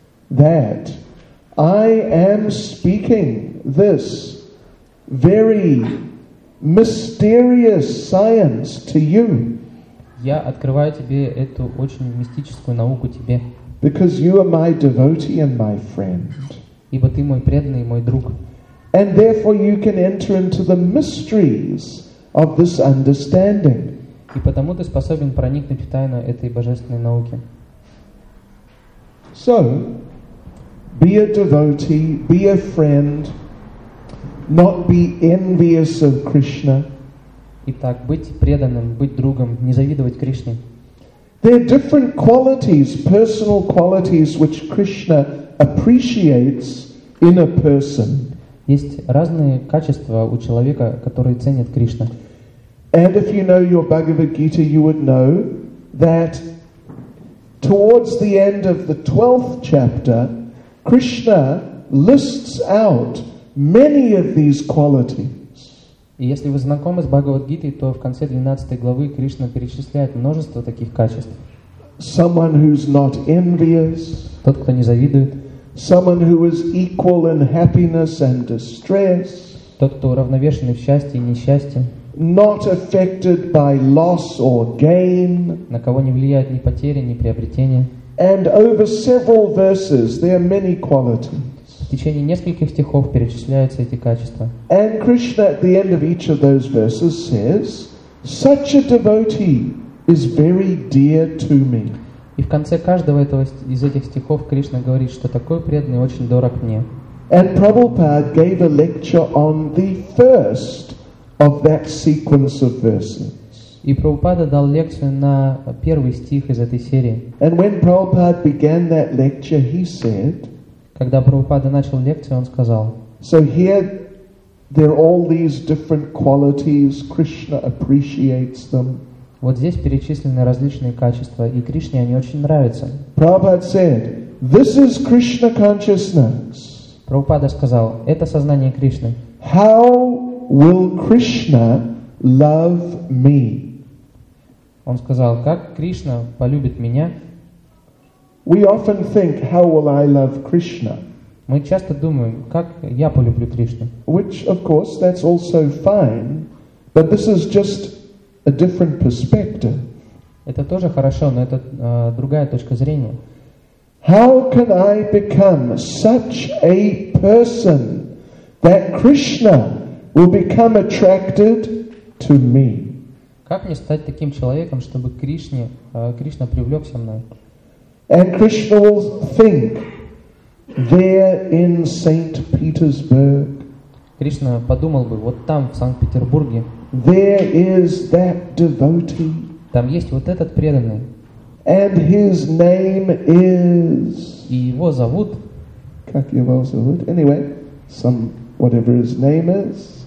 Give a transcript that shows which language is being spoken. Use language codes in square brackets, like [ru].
[en] That I am speaking this very mysterious science to you. [ru] Я открываю тебе эту очень мистическую науку тебе. [en] Because you are my devotee and my friend. [ru] Ибо ты мой преданный и мой друг. [en] And therefore you can enter into the mysteries of this understanding. [ru] И потому ты способен проникнуть в тайну этой божественной науки. [en] So, be a devotee, be a friend, not be envious of Krishna. [ru] Итак, быть преданным, быть другом, не завидовать Кришне. [en] There are different qualities, personal qualities, which Krishna appreciates in a person. [ru] Есть разные качества у человека, которые ценит Кришна. [en] And if you know your Bhagavad Gita, you would know that towards the end of the 12th chapter, Krishna lists out many of these qualities. [ru] И если вы знакомы с Бхагавад-гитой, то в конце 12 главы Кришна перечисляет множество таких качеств. [en] Someone who's not envious. [ru] Тот, кто не завидует. [en] Someone who is equal in happiness and distress. [ru] Тот, кто уравновешенный в счастье и несчастье. [en] Not affected by loss or gain. [ru] На кого не влияет ни потери, ни приобретения. [en] And over several verses there are many qualities. [ru] В течение нескольких стихов перечисляются эти качества. [en] And Krishna at the end of each of those verses says, such a devotee is very dear to me. [ru] И в конце каждого из этих стихов Кришна говорит, что такой преданный очень дорог мне. [en] And Prabhupada gave a lecture on the first of that sequence of verses. [ru] И Прабхупада дал лекцию на первый стих из этой серии. [en] And when Prabhupada began that lecture, he said, [ru] когда Прабхупада начал лекцию, он сказал. [en] So here there are all these different qualities, Krishna appreciates them. [ru] Вот здесь перечислены различные качества, и Кришне они очень нравятся. [en] Prabhupada said, this is Krishna consciousness. [ru] Прабхупада сказал, это сознание Кришны. [en] How will Krishna love me? [ru] Он сказал, как Кришна полюбит меня? [en] We often think, how will I love Krishna? [ru] Мы часто думаем, как я полюблю Кришну. [en] Which, of course, that's also fine, but this is just a different perspective. [ru] Это тоже хорошо, но это другая точка зрения. [en] How can I become such a person that Krishna will become attracted to me? [ru] Как мне стать таким человеком, чтобы Кришна привлекся мной? [en] And Krishna will think there in Saint Petersburg. [ru] Кришна подумал бы, вот там в Санкт-Петербурге. [en] There is that devotee. [ru] Там есть вот этот преданный. [en] And his name is. [ru] И его зовут. Как его зовут? [en] Anyway, some whatever his name is.